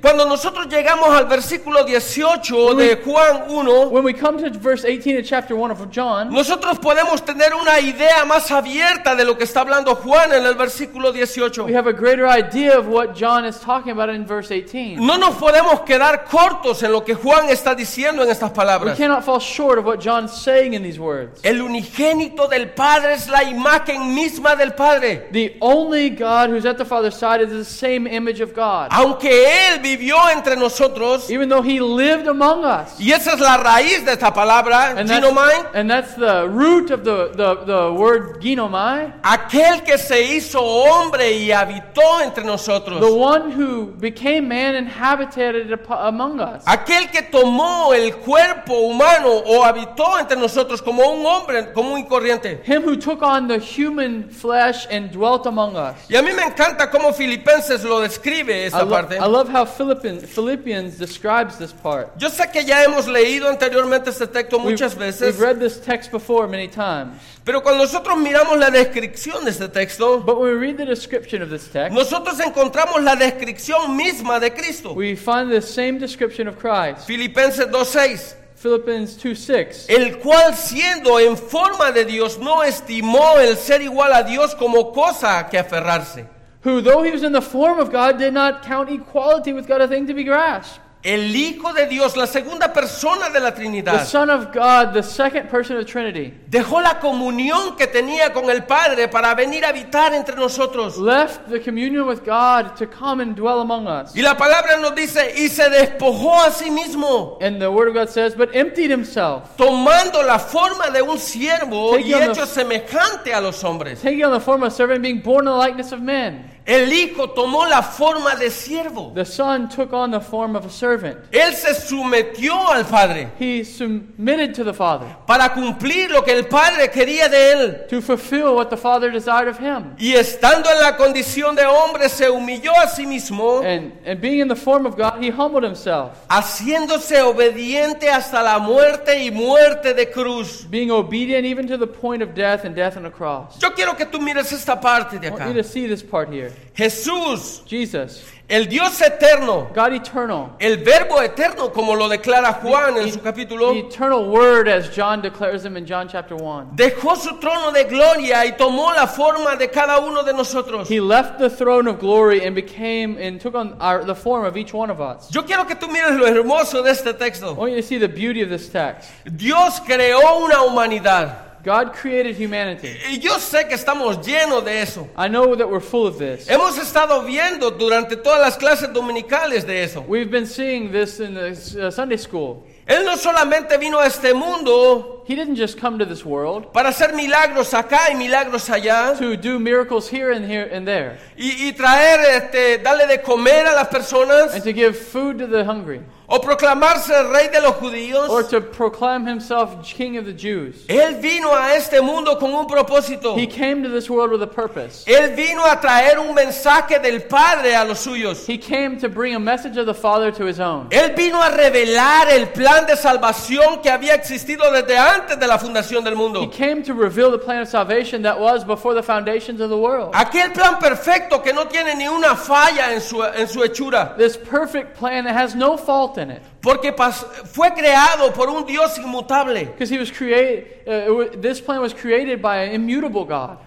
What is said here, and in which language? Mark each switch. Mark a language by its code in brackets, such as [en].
[es] Cuando nosotros llegamos al versículo 18 de Juan 1. [en] When we come to verse 18 in chapter 1 of John. [es] Nosotros podemos tener una idea más abierta de lo que está hablando Juan en el versículo 18. [en] We have a greater idea of what John is talking about in verse 18. [es] No nos podemos quedar cortos en lo que Juan está diciendo en estas palabras. [en] We cannot fall short of what John's saying in these words. [es] El unigénito del Padre es la imagen misma del Padre. [en] The only God who's at the Father's side is the same image of God. [es] Aunque él vivió entre nosotros, [en] even though he lived among us. [es] Y esa es la raíz de esta palabra, ginomai. [en] And that's the root of the word ginomai. [es] Aquel que se hizo hombre y habitó entre nosotros. [en] The one who became man and habited among us. [es] Aquel que tomó el cuerpo humano o habitó entre nosotros como un hombre común y corriente. [en] Him who took on the human flesh and dwelt among us. [es] Y a mí me encanta cómo Filipenses lo describe esa parte. [en] I love how Philippians describes this part. [es] Yo sé que ya hemos leído anteriormente este texto muchas veces. [en] We've read this text before many times. [es] Pero cuando nosotros miramos la descripción de este texto, [en] but when we read the description of this text, [es] nosotros encontramos la descripción misma de Cristo. [en] We find the same description of Christ. [es] Filipenses 2:6. [en] Philippians 2:6. [es] El cual siendo en forma de Dios no estimó el ser igual a Dios como cosa que aferrarse. [en] Who though he was in the form of God did not count equality with God a thing to be grasped. [es] El Hijo de Dios, la segunda persona de la Trinidad. [en] The Son of God, the second person of Trinity. [es] Dejó la comunión que tenía con el Padre para venir a habitar entre nosotros. [en] Left the communion with God to come and dwell among us. [es] Y la palabra nos dice, y se despojó a sí mismo. [en] And the word of God says, but emptied himself. [es] Tomando la forma de un siervo y hecho semejante a los hombres. [en] Taking on the form of a servant, being born in the likeness of men. [es] El Hijo tomó la forma de siervo. [en] The Son took on the form of a servant. [es] Él se sometió al Padre. [en] He submitted to the Father. [es] Para cumplir lo que el Padre quería de él. [en] To fulfill what the Father desired of him. [es] Y estando en la condición de hombre, se humilló a sí mismo. [en] And being in the form of God, he humbled himself. [es] Haciéndose obediente hasta la muerte y muerte de cruz. [en] Being obedient even to the point of death and death on a cross. [es] Yo quiero que tú mires esta parte de acá. [en] I want you to see this part here. [es] Jesús, [en] Jesus, [es] el Dios eterno, [en] God eternal, [es] el Verbo eterno, como lo declara Juan en su capítulo, [en] the eternal word as John declares him in John chapter 1, [es] dejó su trono de gloria y tomó la forma de cada uno de nosotros. [en] He left the throne of glory and became and took on the form of each one of us. [es] Yo quiero que tú mires lo hermoso de este texto. [en] I want you to see the beauty of this text. [es] Dios creó una humanidad. [en] God created humanity. [es] Y yo sé que estamos llenos de eso. [en] I know that we're full of this. [es] Hemos estado viendo durante todas las clases dominicales de eso. [en] We've been seeing this in the Sunday school. [es] Él no solamente vino a este mundo. [en] He didn't just come to this world [es] para hacer milagros acá y milagros allá, [en] to do miracles here and there. [es] Y traer, darle de comer a las personas, [en] and to give food to the hungry. [es] O proclamarse el rey de los judíos, [en] or to proclaim himself king of the Jews. [es] Él vino a este mundo con un propósito. [en] He came to this world with a purpose. [es] Él vino a traer un mensaje del Padre a los suyos. [en] He came to bring a message of the Father to his own. [es] Él vino a revelar el plan de salvación que había existido desde antes de la fundación del mundo. [en] He came to reveal the plan of salvation that was before the foundations of the world. [es] Aquel plan perfecto que no tiene ni una falla en su hechura. [en] This perfect plan that has no fault in it. [es] Porque fue creado por un Dios inmutable. [en] Because he was created, this plan was created by an immutable God.